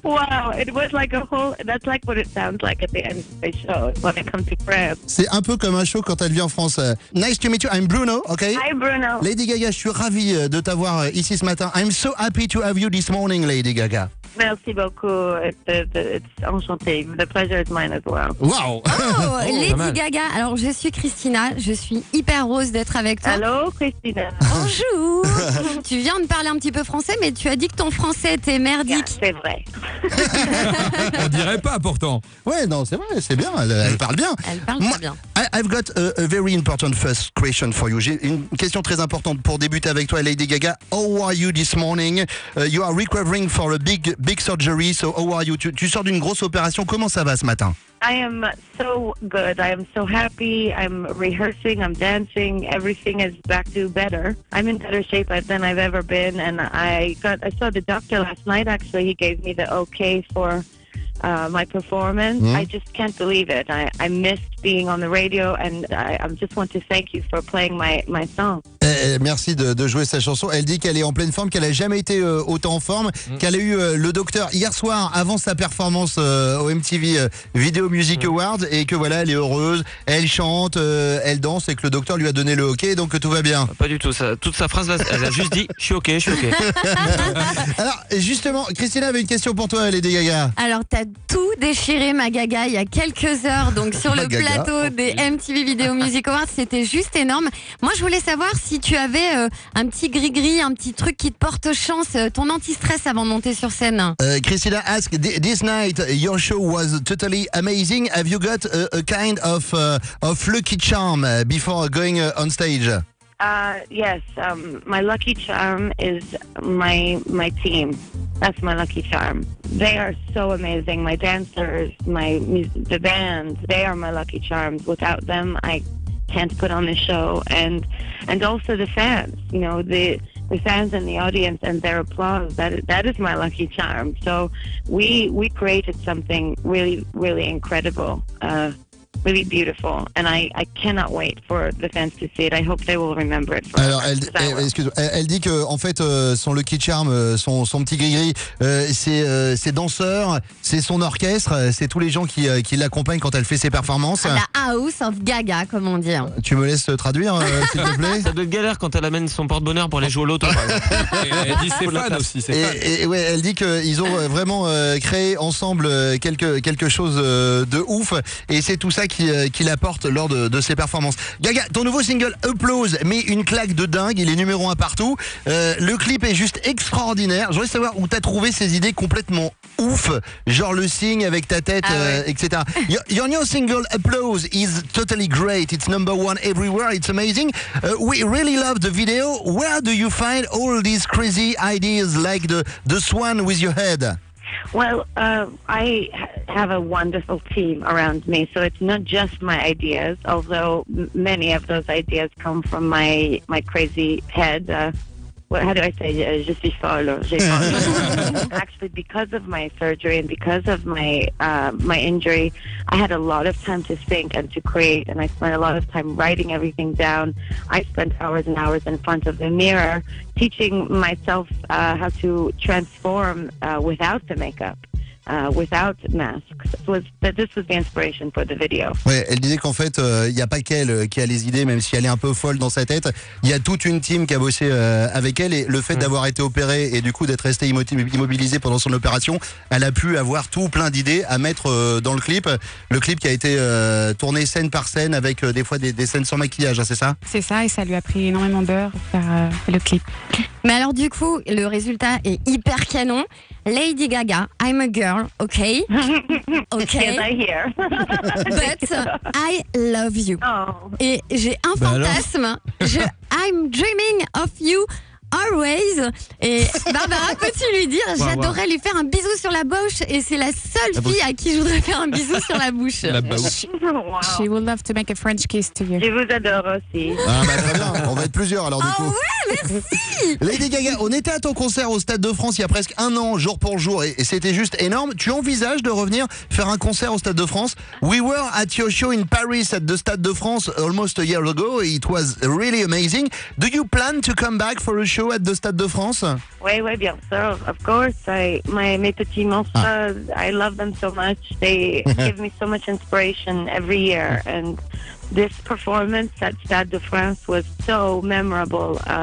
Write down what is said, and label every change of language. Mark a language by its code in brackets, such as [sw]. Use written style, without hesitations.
[en] Wow, it was like a whole, that's like what it sounds like at the end of the show when I come to France. [fr] C'est un peu comme un show quand elle vient en France. [en] Nice to meet you, I'm Bruno, okay? Hi Bruno. [fr] Lady Gaga, je suis ravi de t'avoir ici ce matin. [en] I'm so happy to have you this morning, Lady Gaga. [fr] Merci beaucoup. [en] It's enchanté. The pleasure is mine as well. Wow. [fr] Oh, Lady Gaga. Alors, je suis Christina. Je suis hyper heureuse d'être avec toi. Allô, Christina. Bonjour. Tu viens de parler un petit peu français, mais tu as dit que ton français était merdique. Yeah, c'est vrai. On dirait pas, pourtant. Ouais, non, c'est vrai. C'est bien. Elle parle bien. Elle parle très bien. [en] I've got a very important first question for you. [fr] J'ai une question très importante pour débuter avec toi, Lady Gaga. [en] How are you this morning? You are recovering for a big surgery, so how are you? [fr] Tu sors d'une grosse opération, comment ça va ce matin? [en] I am so good, I am so happy, I'm rehearsing, I'm dancing, everything is back to better. I'm in better shape than I've ever been, and I saw the doctor last night, actually, he gave me the okay for my performance. Mm-hmm. I just can't believe it. I missed being on the radio, and I just want to thank you for playing my song. [fr] Merci de jouer sa chanson. Elle dit qu'elle est en pleine forme, qu'elle n'a jamais été autant en forme, qu'elle a eu le docteur hier soir avant sa performance au MTV Video Music Awards et que voilà, elle est heureuse, elle chante, elle danse et que le docteur lui a donné le OK, donc tout va bien. Pas du tout, ça, toute sa phrase, elle a juste dit je suis OK. Alors justement, Christina avait une question pour toi, Lady Gaga. Alors t'as tout déchiré ma Gaga il y a quelques heures, donc sur le plateau des MTV Video Music Awards, c'était juste énorme. Moi je voulais savoir si tu avais un petit gris-gris, un petit truc qui te porte chance, ton anti-stress avant de monter sur scène. [en] Christina ask, this night your show was totally amazing. Have you got a kind of lucky charm before going on stage? Yes, my lucky charm is my team. That's my lucky charm. They are so amazing. My dancers, the band, they are my lucky charms. Without them, I can't put on the show, and also the fans, you know, the fans and the audience and their applause, that is my lucky charm. So we created something really, really incredible, really beautiful, and I cannot wait for the fans to see it. I hope they will remember it. [fr] Alors, elle dit que en fait son lucky charm, son petit gris-gris, c'est ses danseurs, c'est son orchestre, c'est tous les gens qui l'accompagnent quand elle fait ses performances. La house of Gaga, comment dire. Tu me laisses traduire, s'il te plaît. Ça doit être galère quand elle amène son porte-bonheur pour aller jouer au loto. Elle dit ses fans aussi. Et ouais, elle dit que ils ont vraiment créé ensemble quelque chose de ouf, et c'est tout ça qui l'apporte lors de ses performances. Gaga, ton nouveau single Applause met une claque de dingue, il est numéro 1 partout. Le clip est juste extraordinaire. J'aimerais savoir où t'as trouvé ces idées complètement ouf, genre le signe avec ta tête, etc. [en] Your new single Applause is totally great, it's number 1 everywhere, it's amazing. We really love the video. Where do you find all these crazy ideas like the swan with your head? Well, I have a wonderful team around me, so it's not just my ideas, although many of those ideas come from my crazy head. How do I say? [fr] Je suis folle. [en] Actually, because of my surgery and because of my injury, I had a lot of time to think and to create, and I spent a lot of time writing everything down. I spent hours and hours in front of the mirror teaching myself how to transform without the makeup. Without masks, this was the inspiration for the video. [fr] Ouais, elle disait qu'en fait, il y a pas qu'elle qui a les idées, même si elle est un peu folle dans sa tête. Il y a toute une team qui a bossé avec elle, et le fait d'avoir été opérée et du coup d'être restée immobilisée pendant son opération, elle a pu avoir tout plein d'idées à mettre dans le clip. Le clip qui a été tourné scène par scène avec des fois des scènes sans maquillage, hein, c'est ça? C'est ça, et ça lui a pris énormément d'heures pour faire le clip. Mais alors du coup, le résultat est hyper canon. [en] Lady Gaga, I'm a girl, okay? Okay. Yes, I hear. But I love you. Oh. [fr] Et j'ai un fantasme. [en] I'm dreaming of you always. [fr] Et Barbara, peux-tu lui dire, j'adorerais lui faire un bisou sur la bouche. Et c'est la seule la fille à qui je voudrais faire un bisou sur la bouche. La bouche. [en] She would love to make a French kiss to you. [fr] Je vous adore aussi. Ah bah très bien, on va être plusieurs alors du oh coup. Oh ouais, merci. Lady Gaga, on était à ton concert au Stade de France il y a presque un an, jour pour jour. Et c'était juste énorme. Tu envisages de revenir faire un concert au Stade de France? [en] We were at your show in Paris at the Stade de France almost a year ago. It was really amazing. Do you plan to come back for a show at the Stade de France? [fr] Oui, oui, bien sûr. [en] Of course, [fr] mes petits monstres, [en] I love them so much. They give me so much inspiration every year. And this performance at Stade de France was so memorable.